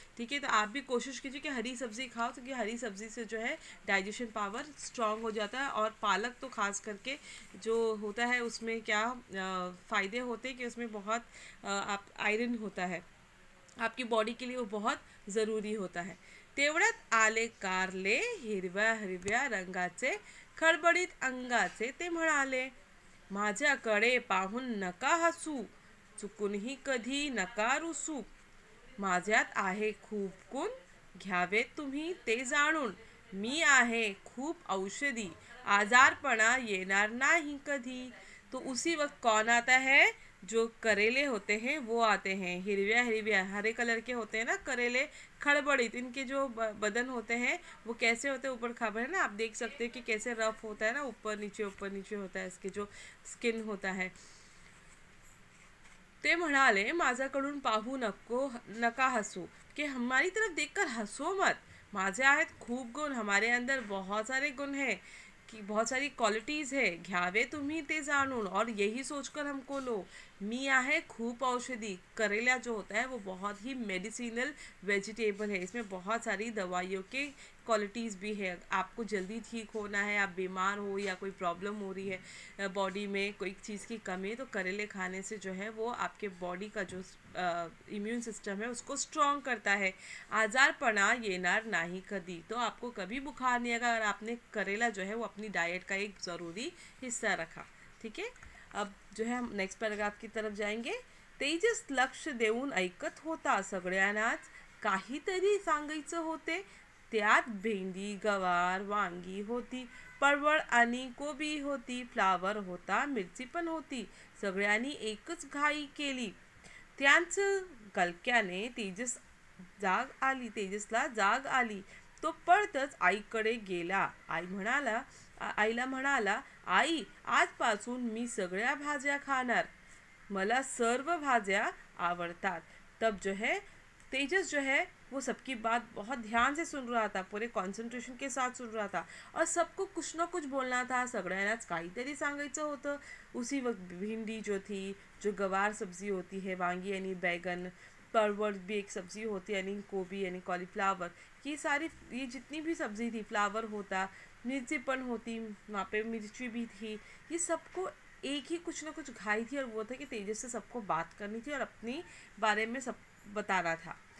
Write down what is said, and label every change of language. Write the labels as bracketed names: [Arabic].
[Hindi] ठीक है, तो आप भी कोशिश कीजिए कि हरी सब्जी खाओ, क्योंकि हरी सब्जी से जो है डाइजेशन पावर स्ट्रांग हो जाता है, और पालक तो खास करके जो होता है उसमें क्या फ़ायदे होते हैं कि उसमें बहुत आप आयरन होता है, आपकी बॉडी के लिए वो बहुत ज़रूरी होता है। [Marathi] तेवढ्यात आले कारले हिरव्या हिरव्या रंगाचे खडबडीत अंगाचे, ते म्हणाले, माझ्याकडे पाहून नका हसू, चुकूनही कधी नका रुसू, माझ्यात आहे खूप गुण, घ्यावे तुम्ही ते जाणून, मी आहे खूप औषधी, आजारपणा येणार नाही कधी। [Hindi] तो उसी वक्त कौन आता है, जो करेले होते हैं वो आते हैं, [Marathi] हिरव्या हिरव्या [Hindi] हरे कलर के होते हैं ना करेले, खड़बड़ी, इनके जो बदन होते हैं वो कैसे होते हैं, ऊपर खाबड़ है ना, आप देख सकते हैं कि कैसे रफ होता है ना, ऊपर नीचे होता है इसके जो स्किन होता है। [Marathi] ते म्हणाले, माझ्याकडून पाहू नको नका हसू, [Hindi] कि हमारी तरफ देखकर हसो मत, [Marathi] माझे आहेत खूप गुण, [Hindi] हमारे अंदर बहुत सारे गुण है कि बहुत सारी क्वालिटीज है, [Marathi] घ्यावे तुम्ही ते जाणून, [Hindi] और यही सोचकर हमको लो। [Marathi] मी आहे खूप औषधी, [Hindi] करेला जो होता है वो बहुत ही मेडिसिनल वेजिटेबल है, इसमें बहुत सारी दवाइयों के क्वालिटीज भी है। आपको जल्दी ठीक होना है, आप बीमार हो या कोई प्रॉब्लम हो रही है बॉडी में, कोई चीज़ की कमी है, तो करेले खाने से जो है वो आपके बॉडी का जो इम्यून सिस्टम है उसको स्ट्रॉन्ग करता है। [Marathi] आजार पना ये नार नाही कदी, [Hindi] तो आपको कभी बुखार नहीं आएगा अगर आपने करेला जो है वो अपनी डाइट का एक ज़रूरी हिस्सा रखा। ठीक है, अब जो है हम नेक्स्ट पैराग्राफ की तरफ जाएंगे। [Marathi] तेजस लक्ष्य देऊन ऐकत होता सगळ्यांनाच, काहीतरी सांगायचं होते त्यात भेंडी गवार वांगी होती, परवळ आणि कोबी होती, फ्लावर होता मिरची पण होती, सगळ्यांनी एकच घाई केली, त्यांच गलक्याने तेजस जाग आली, तेजसला जाग आली, तो पळतच आईकडे गेला। आई म्हणाला, आईला म्हणाला, आई आजपासून मी सगळ्या भाज्या खाणार, मला सर्व भाज्या आवडतात। [Hindi] तब जो है तेजस जो है वो सबकी बात बहुत ध्यान से सुन रहा था, पूरे कॉन्सन्ट्रेशन के साथ सुन रहा था, और सबको कुछ ना कुछ बोलना था, [Marathi] सगळ्यांनाच काहीतरी सांगायचं होतं। [Hindi] उसी वक्त भिंडी जो थी, जो गवार सब्जी होती है, वांगी यानी बैगन, परवल भी एक सब्जी होती है यानी गोभी यानी कॉलीफ्लावर, ये सारी ये जितनी भी सब्जी थी, [Marathi] फ्लावर होता, मिर्ची पन होती, [Hindi] वहाँ पे मिर्ची भी थी, ये सबको एक ही कुछ ना कुछ घाई थी, और वो था कि तेजस से सबको बात करनी थी और अपनी बारे में सब बताना था।